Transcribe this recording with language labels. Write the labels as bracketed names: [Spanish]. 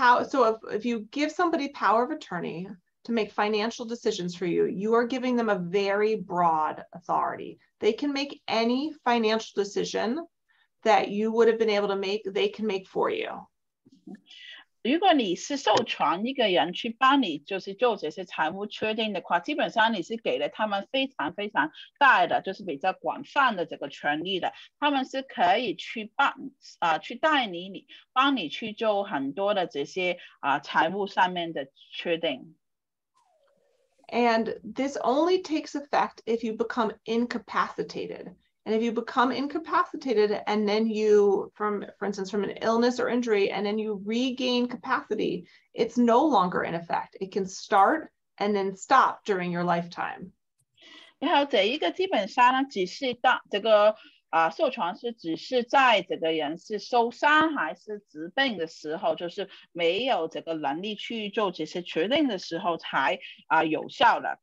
[English] So if you give somebody power of attorneyto make financial decisions for you, you are giving them a very broad authority. They can make any financial decision that you would have been able to make, they can make for you. [Chinese] 如果你是授权一个人去帮你就是做这些财务确定的话，基本上你是给了他们非常非常大的，就是比较广泛的这个权利的。他们是可以去帮、去带你，你帮你去做很多的这些、财务上面的确定。 [English] And this only takes effect if you become incapacitated. And if you become incapacitated and then you, for instance, from an illness or injury, and then you regain capacity, it's no longer in effect. It can start and then stop during your lifetime. [Chinese] 然后这一个基本上呢，只是当这个、授权是只是在这个人是受伤还是疾病的时候，就是没有这个能力去做这些决定的时候才有效的。